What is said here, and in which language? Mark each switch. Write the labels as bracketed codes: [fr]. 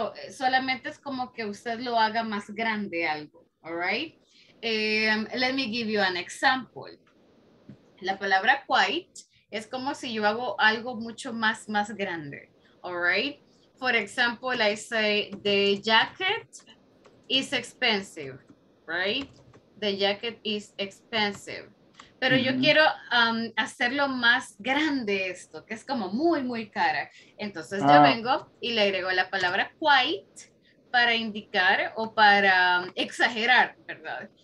[es] Solamente es como que usted lo haga más grande algo. [en] All right? Let me give you an example. [es] La palabra quite es como si yo hago algo mucho más grande. [en] All right? for example, I say the jacket is expensive, right? The jacket is expensive. [es] Pero mm-hmm. yo quiero hacerlo más grande esto, que es como muy, muy cara. Entonces yo vengo y le agrego la palabra quite para indicar o para exagerar, ¿verdad?